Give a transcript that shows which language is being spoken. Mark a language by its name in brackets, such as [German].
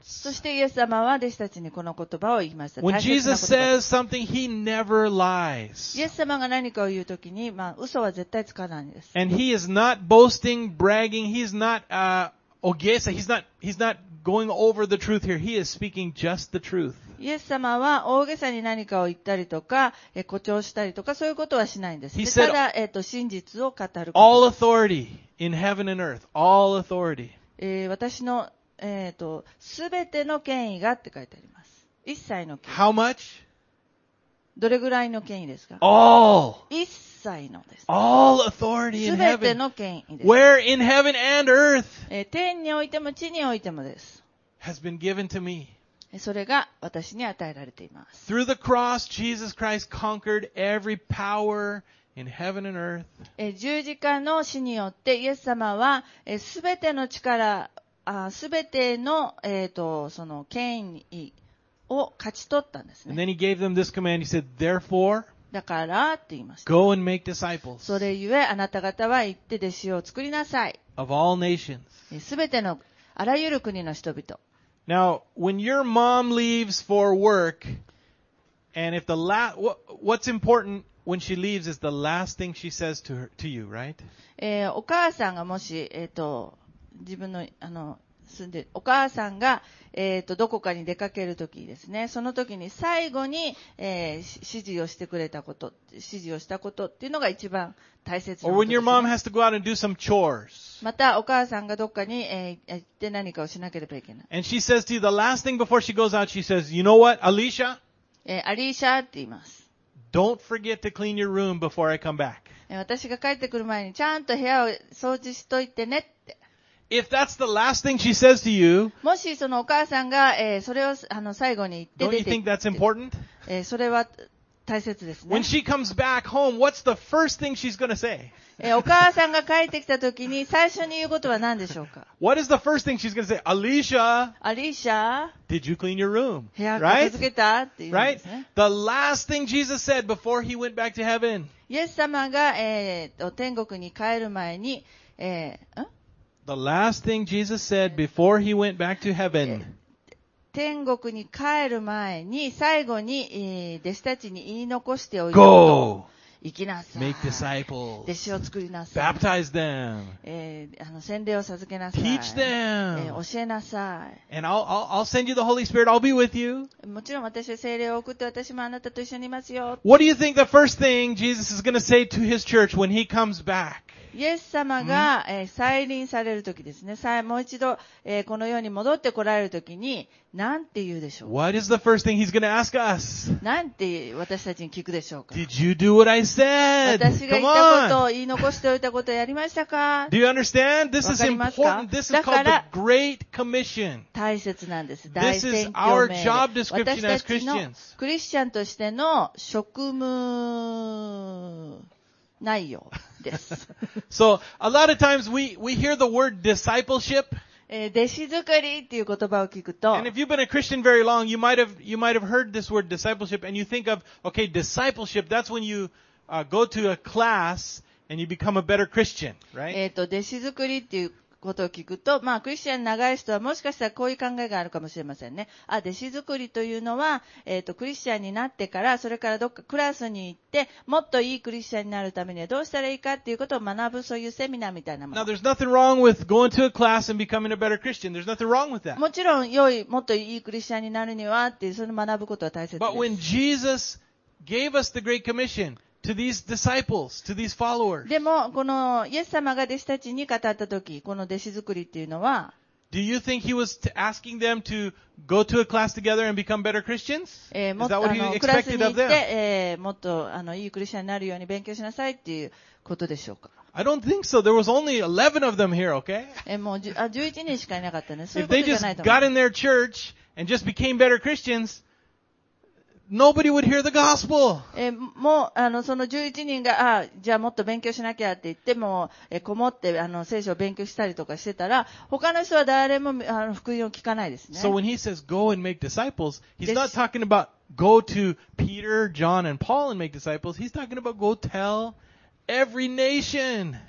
[Japanese] そしてイエス様は弟子たちにこの言葉を言いました。 [English] When Jesus says something, he never lies. [Japanese] イエス様が何かを言うときに、嘘は絶対つかないんです。 [English] And he is not boasting, bragging, he's not, ogesa, he's not going over the truth here. He is speaking just the truth. [Japanese] イエス様は大げさに何かを言ったりとか、誇張したりとか、そういうことはしないんです。ただ、真実を語ること。 [English] All authority in heaven and earth. All authority. [Japanese] 私の、すべての権威がって書いてあります。一切の権威。 [English] How much? [Japanese] どれぐらいの権威ですか? [English] All. [Japanese] 一切のです。 [English] All authority in heaven. [Japanese] すべての権威です。 [English] Where in heaven and earth? [Japanese] 天においても地においてもです。 [English] Has been given to me. [Japanese] それが私に与えられています。 [English] Through the cross, Jesus Christ conquered every power in heaven and earth. [Japanese] 十字架の死によって、イエス様は、すべての力、すべての、その権威を勝ち取ったんですね。 [English] And then he gave them this command. He said, therefore, [Japanese] だからって言いました。 [English] Go and make disciples. [Japanese] それゆえ、あなた方は行って弟子を作りなさい。 [English] Of all nations. [Japanese] すべての、あらゆる国の人々。 [English] Now, when your mom leaves for work, and if the last, what's important when she leaves is the last thing she says to you, right? [Japanese] お母さんがもし、自分の、住んで、お母さんが、どこかに出かけるときですね、そのときに最後に、指示をしてくれたこと、指示をしたことっていうのが一番大切なことです。 [English] Or when your mom has to go out and do some chores. [Japanese] また、お母さんがどこかに、行って何かをしなければいけない。 [English] And she says to you, the last thing before she goes out, she says, you know what, Alicia? [Japanese] アリーシャって言います。 [English] Don't forget to clean your room before I come back. [Japanese] 私が帰ってくる前にちゃんと部屋を掃除しといてねって。 [English] If that's the last thing she says to you, [Japanese] もしそのお母さんが、それを最後に言って出て、 [English] Don't you think that's important? [Japanese] それは大切ですね。 [English] When she comes back home, what's the first thing she's gonna say? [Japanese] お母さんが帰ってきた時に最初に言うことは何でしょうか? [English] What is the first thing she's gonna say? Alicia? Alicia? Did you clean your room? [Japanese] 部屋片付けた? [English] Right? Right? The last thing Jesus said before he went back to heaven. [Japanese] イエス様が、天国に帰る前に、 [English] The last thing Jesus said before he went back to heaven. [Japanese] 天国に帰る前に最後に弟子たちに言い残しておいたこと。行きなさい。 [English] Make disciples. [Japanese] 弟子を作りなさい。 [English] Baptize them. [Japanese] 洗礼を授けなさい。 [English] Teach them. [Japanese] 教えなさい。 [English] And I'll send you the Holy Spirit. I'll be with you. [Japanese] もちろん私は聖霊を送って私もあなたと一緒にいますよ。 [English] What do you think the first thing Jesus is going to say to his church when he comes back? [Japanese] イエス様が、再臨されるときですね。もう一度、この世に戻ってこられるときに、なんて言うでしょうか。 [English] What is the first thing he's going to ask us? [Japanese] なんて私たちに聞くでしょうか。 [English] Did you do what I said? [Japanese] 私が言ったことを言い残しておいたことをやりましたか。 [English] Do you understand? This is important. This is called the Great Commission. [Japanese] 大切なんです。 [English] This is our job description as Christians. [Japanese] クリスチャンとしての職務内容です。 [English] So, a lot of times we hear the word discipleship. [Japanese] 弟子作りっていう言葉を聞くと。 [English] And if you've been a Christian very long, you might have heard this word discipleship and you think of, okay, discipleship, that's when you, go to a class and you become a better Christian, right? [Japanese] 弟子作りっていうことを聞くと、まあ、クリスチャン長い人はもしかしたらこういう考えがあるかもしれませんね。あ、弟子作りというのは、クリスチャンになってから、それからどっかクラスに行って、もっといいクリスチャンになるためにはどうしたらいいかっていうことを学ぶそういうセミナーみたいなもの。 [English] Now, there's nothing wrong with going to a class and becoming a better Christian. There's nothing wrong with that. [Japanese] もちろん、良い、もっといいクリスチャンになるにはっていう、その学ぶことは大切です。 [English] But when Jesus gave us the Great Commission,To these disciples, to these followers. [Japanese] でも、この、イエス様が弟子たちに語ったとき、この弟子作りっていうのは、 [English] Do you think he was asking them to go to a class together and become better Christians? Is that what he expected of them? [Japanese] もっと、いいクリスチャンになるように勉強しなさいっていうことでしょうか。 [English] I don't think so. There was only 11 of them here, okay? [Japanese] もう、11人しかいなかったね。 [English] If they just got in their church and just became better Christians,Nobody would hear the gospel. [Japanese] もう、その11人が、ああ、じゃあもっと勉強しなきゃって言っても、こもって、聖書を勉強したりとかしてたら、他の人は誰も、福音を聞かないですね。 [English] So when he says go and make disciples, he's not talking about go to Peter, John, and Paul and make disciples. He's talking about go tell every nation.